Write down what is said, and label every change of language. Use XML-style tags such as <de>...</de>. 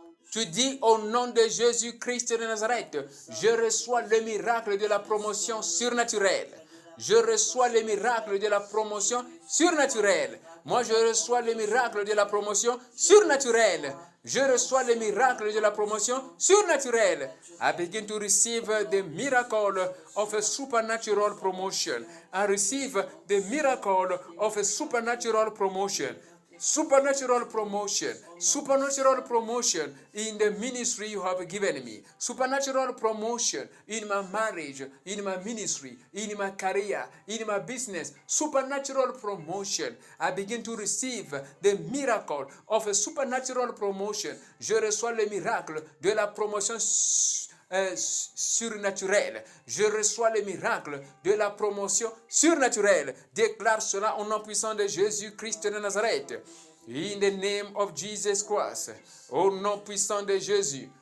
<fr>Tu dis au nom de Jésus-Christ de Nazareth, je reçois le miracle de la promotion surnaturelle. Je reçois le miracle de la promotion surnaturelle. Moi, je reçois le miracle de la promotion surnaturelle. Je reçois le miracle de la promotion surnaturelle.</fr> <en>I begin to receive the miracle of a supernatural promotion. I receive the miracle of a supernatural promotion. Supernatural promotion, supernatural promotion in the ministry you have given me. Supernatural promotion in my marriage, in my ministry, in my career, in my business. Supernatural promotion. I begin to receive the miracle of a supernatural promotion.</en> <fr>Je reçois le miracle de la promotion surnaturelle. Je reçois le miracle de la promotion surnaturelle. Déclare cela au nom puissant de Jésus-Christ de Nazareth.</fr> <en>In the name of Jesus Christ.</en> <fr>Au nom puissant de Jésus.</fr>